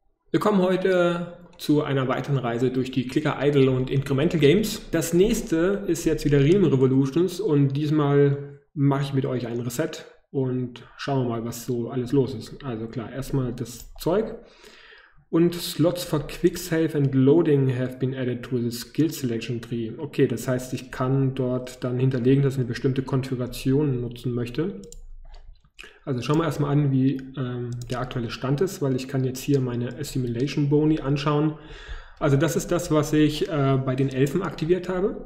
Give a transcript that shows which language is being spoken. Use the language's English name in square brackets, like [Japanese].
[German] Wir kommen heute zu einer weiteren Reise durch die Clicker Idle und Incremental Games. Das nächste ist jetzt wieder Realm Revolutions und diesmal mache ich mit euch einen Reset und schauen wir mal, was so alles los ist. Also klar, erstmal das Zeug. [English] Und Slots for Quick Save and Loading have been added to the Skill Selection Tree. [German] Okay, das heißt, ich kann dort dann hinterlegen, dass ich eine bestimmte Konfiguration nutzen möchte. Also schauen wir erstmal an, wie der aktuelle Stand ist, weil ich kann jetzt hier meine Assimilation Boni anschauen. Also das ist das, was ich bei den Elfen aktiviert habe.